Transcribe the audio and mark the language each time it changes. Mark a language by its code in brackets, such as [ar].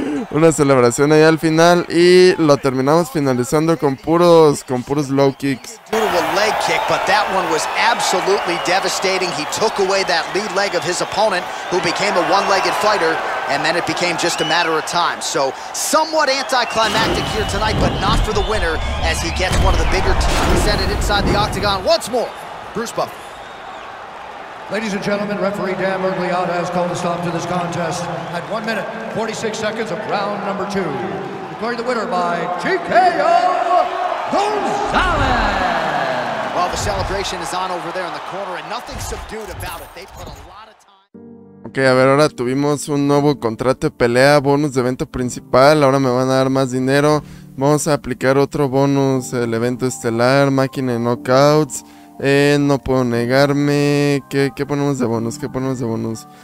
[es] Una celebración ahí al final y lo terminamos finalizando con puros low kicks. [en] Brutal leg kick, but that one was absolutely devastating. He took away that lead leg of his opponent, who became a one-legged fighter, and then it became just a matter of time. So somewhat anticlimactic here tonight, but not for the winner, as he gets one of the bigger teams presented inside the octagon once more. Bruce Buff. Ladies and gentlemen, referee Dan Mergliotta has called a stop to this contest at 1 minute, 46 seconds of round number 2. Declaring the winner by TKO Gonzalez. Well, the celebration is on over there in the corner and nothing subdued about it. They put a lot of time. [es] Okay, a ver, ahora tuvimos un nuevo contrato de pelea, bonus de evento principal. Ahora me van a dar más dinero. Vamos a aplicar otro bonus, el evento estelar, máquina de knockouts. No puedo negarme. ¿Qué ponemos de bonus?